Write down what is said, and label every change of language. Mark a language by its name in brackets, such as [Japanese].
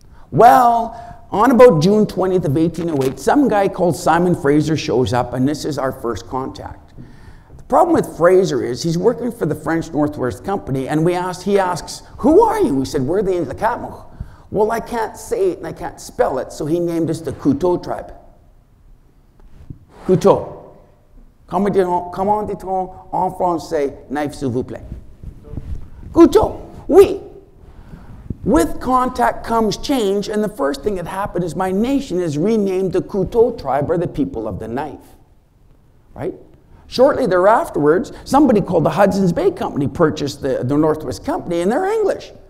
[English] Well, on about June 20th of 1808, some guy called Simon Fraser shows up, and this is our first contact. The problem with Fraser is he's working for the French Northwest Company, and he asks, who are you? We said, we're the Nlaka’pamux. Well, I can't say it and I can't spell it, so he named us the Couteau tribe. [French] Couteau. Comment dit-on en français, knife s'il vous plaît. Couteau. Oui. [English] With contact comes change, and the first thing that happened is my nation is renamed the Couteau tribe, or the people of the knife. Right? Shortly thereafter, somebody called the Hudson's Bay Company purchased the Northwest Company, and they're English.